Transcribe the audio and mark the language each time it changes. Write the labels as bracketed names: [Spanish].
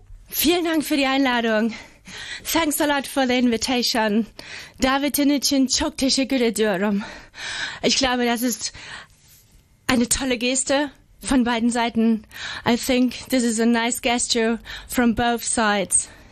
[German] Für die Einladung. [English] Thanks a lot for the invitation. [Turkish] Davidin için çok teşekkür ediyorum. [German] Ich glaube, das ist eine tolle Geste von beiden Seiten. [English] I think this is a nice gesture from both sides.